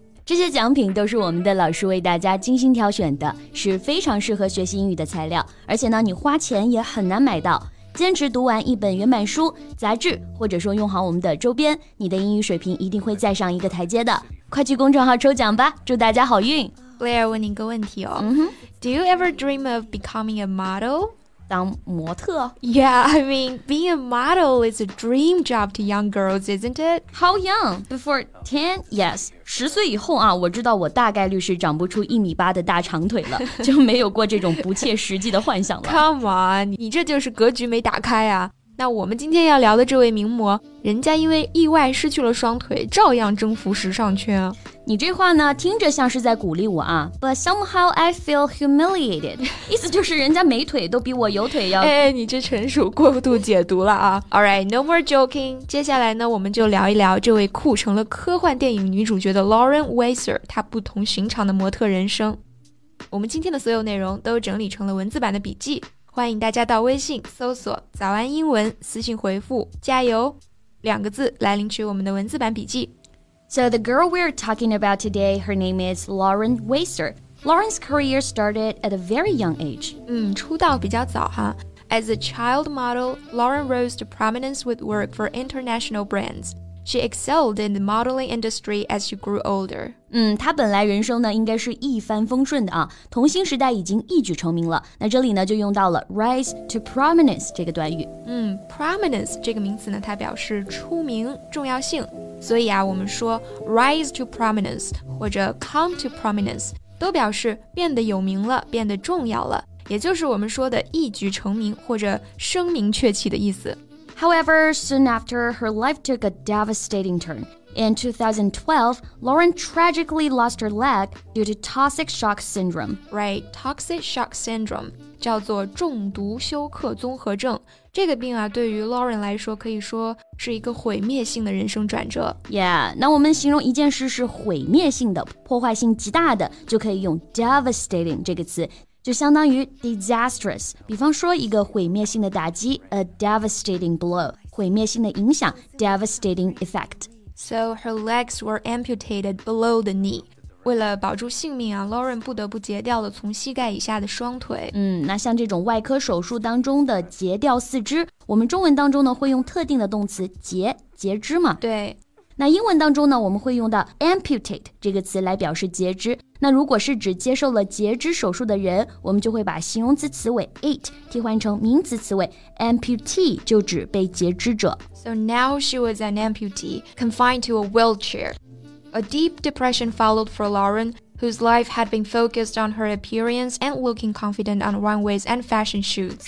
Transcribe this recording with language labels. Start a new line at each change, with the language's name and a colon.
Chinese: 这些奖品都是我们的老师为大家精心挑选的，是非常适合学习英语的材料，而且呢，你花钱也很难买到。坚持读完一本原版书、杂志，或者说用好我们的周边，你的英语水平一定会再上一个台阶的。快去公众号抽奖吧，祝大家好运。
English: Blair
Chinese: 问你一个问题哦、
English: Do you ever dream of becoming a model?
Chinese: 当模特？
English: Yeah, I mean, being a model is a dream job to young girls, isn't it? How young? Before 10? Yes.
Chinese: 十岁以后啊，我知道我大概率是长不出1.8米的大长腿了，就没有过这种不切实际的幻想了。
English: Come on,
Chinese: 你这就是格局没打开啊。那我们今天要聊的这位名模，人家因为意外失去了双腿，照样征服时尚圈。你这话呢，听着像是在鼓励我啊。
English: But somehow I feel humiliated.
Chinese: 意思就是人家没腿都比我有腿要。哎，你这纯属过度解读了啊。
English: All right, no more joking.
Chinese: 接下来呢，我们就聊一聊这位酷成了科幻电影女主角的 Lauren Weisser， 她不同寻常的模特人生。我们今天的所有内容都整理成了文字版的笔记。欢迎大家到微信搜索早安英文，私信回复加油两个字来领取我们的文字版笔记。
English: So the girl we're talking about today, her name is Lauren Weisser. Lauren's career started at a very young age.
Chinese: 出道比较早哈。
English: As a child model, Lauren rose to prominence with work for international brands. She excelled in the modeling industry as she grew older.
Chinese: 她本来人生呢应该是一帆风顺的啊，童星时代已经一举成名了。那这里呢就用到了 rise to prominence 这个短语。 Prominence 这个名词呢，它表示出名、重要性。所以啊，我们说 rise to prominence 或者 come to prominence 都表示变得有名了、变得重要了，也就是我们说的一举成名或者声名鹊起的意思。
English: However, soon after, her life took a devastating turn. In 2012, Lauren tragically lost her leg due to toxic shock syndrome.
Chinese: Right, toxic shock syndrome 叫做中毒休克综合症。这个病啊，对于 Lauren 来说可以说是一个毁灭性的人生转折。 Yeah, 那我们形容一件事是毁灭性的、破坏性极大的，就可以用 devastating 这个词。就相当于 disastrous， 比方说一个毁灭性的打击 ，
English: a devastating blow，
Chinese: 毁灭性的影响 ，
English: devastating effect。 So her legs were amputated below the knee。
Chinese: 为了保住性命啊 ，Lauren 不得不截掉了从膝盖以下的双腿。那像这种外科手术当中的截掉四肢，我们中文当中呢会用特定的动词截，截肢嘛。对。那英文当中呢，我们会用到 amputate 这个词来表示截肢。那如果是指接受了截肢手术的人，我们就会把形容词词尾 ate 替换成名词词尾 amputee， 就指被截肢者。
English: So now she was an amputee, confined to a wheelchair. A deep depression followed for Lauren, whose life had been focused on her appearance and looking confident on runways and fashion shoots.